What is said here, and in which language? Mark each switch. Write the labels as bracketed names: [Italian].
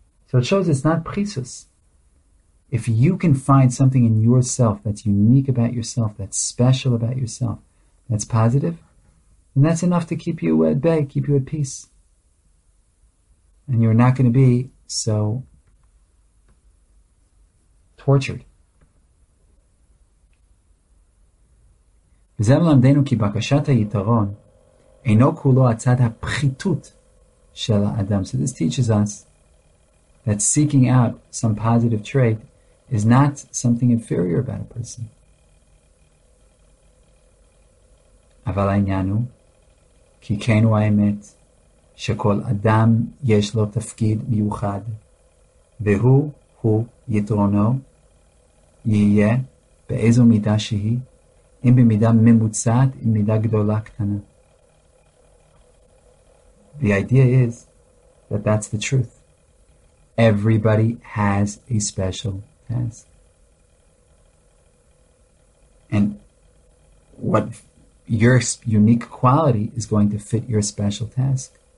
[English] So it shows it's not prisus. If you can find something in yourself that's unique about yourself, that's special about yourself, that's positive, then that's enough to keep you at bay, keep you at peace. And you're not going to be so tortured. [Hebrew] וזה מלמדנו כי בקשת היתרון אינו כולו הצד הפחיתות של האדם. [English] So this teaches us that seeking out some positive trait is not something inferior about a person. [Hebrew] אבל העניין הוא כי כן הוא האמת שכל אדם יש לו תפקיד מיוחד והוא הוא יתרונו יהיה באיזו מידה שהיא אם במידה ממוצעת, אם מידה גדולה קטנה. [English] The idea is that that's the truth. Everybody has a special task. And what your unique quality is going to fit your special task.